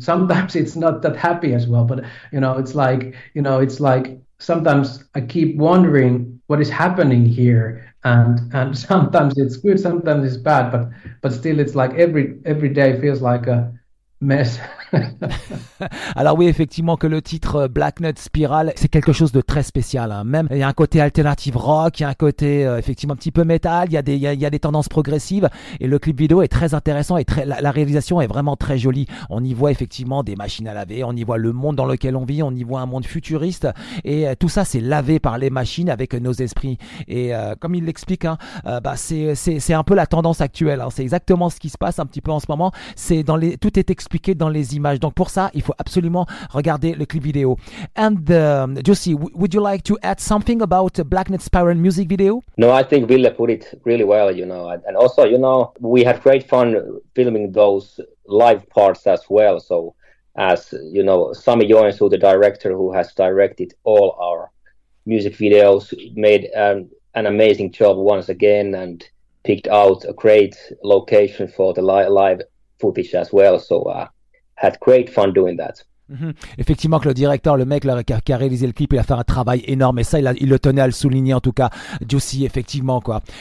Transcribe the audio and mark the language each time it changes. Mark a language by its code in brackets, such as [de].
[en] Sometimes it's not that happy as well, but you know, it's like, you know, it's like sometimes I keep wondering what is happening here, and sometimes it's good, sometimes it's bad, but still it's like every day feels like a mess. [fr] Alors oui, effectivement, que le titre Black Nut Spiral, c'est quelque chose de très spécial, hein. Même il y a un côté alternative rock, il y a un côté effectivement un petit peu métal, il y a des tendances progressives, et le clip vidéo est très intéressant et très, la réalisation est vraiment très jolie. On y voit effectivement des machines à laver, on y voit le monde dans lequel on vit, on y voit un monde futuriste, et tout ça c'est lavé par les machines avec nos esprits. Et comme il l'explique, hein, c'est un peu la tendance actuelle, hein. C'est exactement ce qui se passe un petit peu en ce moment. C'est dans les, tout est expliqué dans les images. Donc pour ça, il faut absolument regarder le clip vidéo. [en] And Jussi, would you like to add something about Black Nut Spiral music video? No, I think Ville put it really well, you know. And also, you know, we had great fun filming those live parts as well. So as, you know, Sami Joensuu, the director who has directed all our music videos, made an amazing job once again and picked out a great location for the live footage as well. So had great fun doing that. Mm-hmm. [fr] Effectivement, que le directeur, le mec là, qui a réalisé le clip, il a fait un travail énorme, et ça il le tenait à le souligner, en tout cas Jussi, effectivement, quoi.